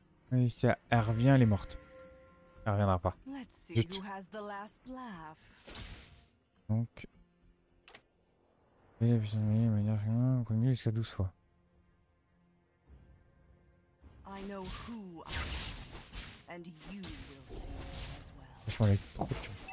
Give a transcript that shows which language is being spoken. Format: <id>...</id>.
<fr>Oui, ça, elle revient, elle est morte. Elle reviendra pas.</fr> <en>Let's see who has the last laugh.</en> <fr>Donc. Et la puissance de manière commune jusqu'à 12 fois.</fr> <en>I know who I am. And you will see as well.</en> <fr>Franchement, elle est trop chiant.</fr>